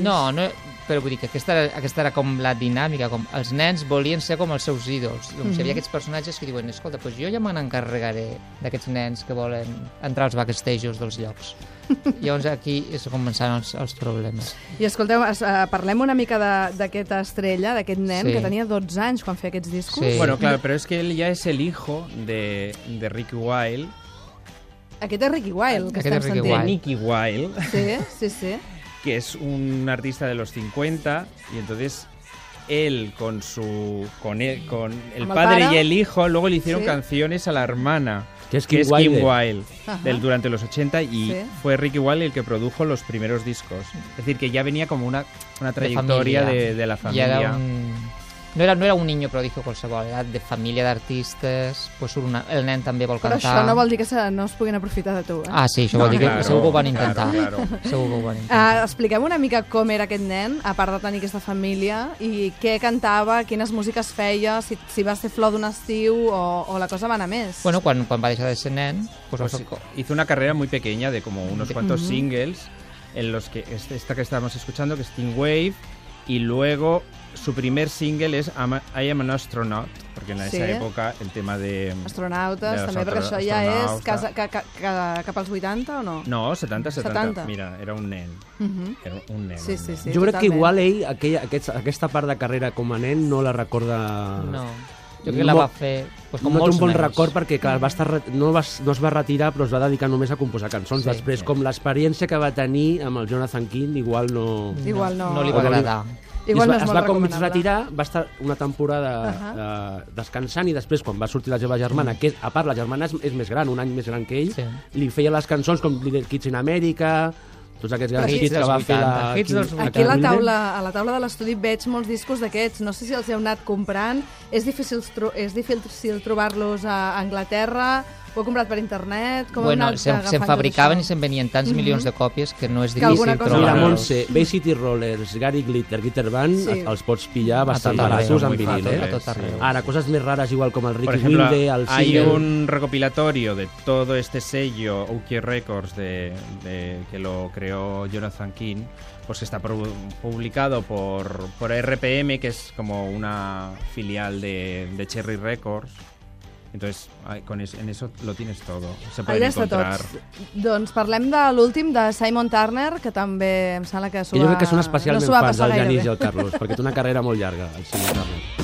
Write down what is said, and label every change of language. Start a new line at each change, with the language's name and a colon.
Catalan: No, però vull dir que aquesta era com la dinàmica, com els nens volien ser com els seus ídols. Doncs hi havia aquests personatges que diuen, escolta, doncs jo ja me n'encarregaré d'aquests nens que volen entrar als backstages dels llocs. Llavors aquí es començaran els problemes. I escolteu, parlem una mica d'aquesta estrella, d'aquest nen, sí, que tenia 12 anys quan feia aquests discos. Sí.
Spanish: Bueno, claro, pero es que él ya es el hijo de Ricky Wilde.
Catalan: Aquest és Ricky Wilde, que estem sentint. De Nicky Wilde. Sí, sí, sí.
Spanish: Que es un artista de los 50, y entonces él con su con el padre y el hijo luego le hicieron, sí, canciones a la hermana, que es Kim Wilde, del durante los 80, y sí, fue Ricky Wilde el que produjo los primeros discos. Es decir, que ya venía como una trayectoria de la familia. Era no era un niño prodigio, qualsevol, era de familia de artistas, pues
Catalan: el nen també vol cantar. Però això no vol dir que no es puguin aprofitar de tu, eh? Ah, sí, això no, vol dir que segur que ho van intentar. Segur que ho van intentar. Expliquem una mica com era aquest nen, a part de tenir aquesta família, i què cantava, quines músiques feia, si va ser flor d'un estiu o la cosa va anar més. Bueno, quan va deixar de ser nen...
Spanish: Hizo una carrera muy pequeña de como unos cuantos singles, en los que esta que estábamos escuchando, que es Teen Wave, y luego... Su primer single es I Am an Astronaut, porque en esa, sí, época el tema de...
Catalan: Astronautes, també, perquè això ja és cap als 80 o no? No, 70. Mira, era un nen. Uh-huh. Era un nen. Sí, sí, sí. Jo crec que igual ell, aquesta part de carrera com a nen, no la recorda... No. Jo crec que la va fer... Pues, com no té un bon nens. Record perquè clar, no es va retirar, però es va dedicar només a composar cançons. Sí, després, sí, com l'experiència que va tenir amb el Jonathan King, igual no... Igual no. No li va agradar. Igual no es va com retirar, va estar una temporada descansant, i després quan va sortir la seva germana, que a part la germana és més gran, un any més gran que ell, sí, li feia les cançons com Little Kids in America, tots aquests grans hits que va fer aquí a la taula de l'estudi veig molts discos d'aquests, no sé si els heu anat comprant, és difícil trobar-los a Anglaterra. Ho heu comprat per internet? Com bueno, se'n fabricaven i se'n venien tants milions de còpies que no és difícil trobar-los. Mira, Montse, Bay City Rollers, Gary Glitter, Guitar Band, sí, els pots pillar bastant baratos amb vinil. A tot arreu. Ara, coses més rares, igual com el Ricky Wilde, el Sigel...
Spanish: Hay un recopilatorio de todo este sello, UK Records, de que lo creó Jonathan King, pues está publicado por RPM, que es como una filial de Cherry Records. Entonces, en eso lo tienes todo. Se pueden encontrar.
Catalan: Doncs parlem de l'últim, de Simon Turner, que també em sembla que jo crec que són especialment fans del Janis i el Carlos, perquè té una carrera molt llarga, el Simon Turner.